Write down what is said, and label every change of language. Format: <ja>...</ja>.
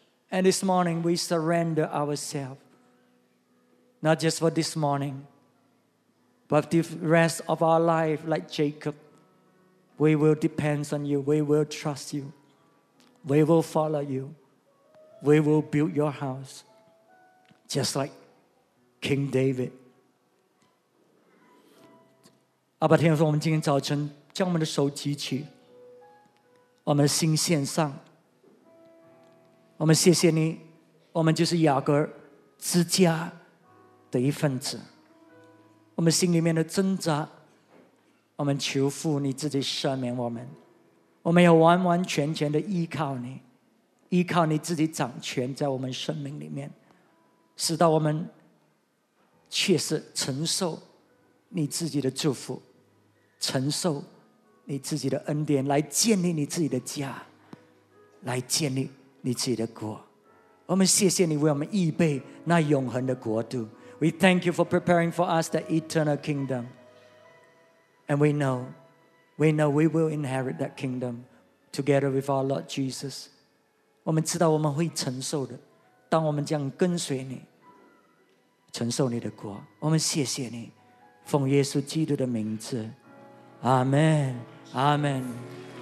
<en>And this morning we surrender ourselves, not just for this morning, but the rest of our life, like Jacob. We will depend on you. We will trust you. We will follow you. We will build your house, just like King David.</en> <zh>阿爸天父，我们今天早晨将我们的手举起，我们心献上，我们谢谢你，我们就是雅各之家的一份子。我们心里面的挣扎，我们求父你自己赦免我们。我们要完完全全的依靠你，依靠你自己掌权在我们生命里面，使到我们确实承受你自己的祝福，承受你自己的恩典，来建立你自己的家，来建立你自己的国。我们谢谢你为我们预备那永恒的国度。</zh> <en>We thank you for preparing for us that eternal kingdom, and we know we will inherit that kingdom together with our Lord Jesus.</en> <zh>我们知道我们会承受的，当我们将跟随你承受你的国。我们谢谢你，奉耶稣基督的名字，阿门，阿门。</zh>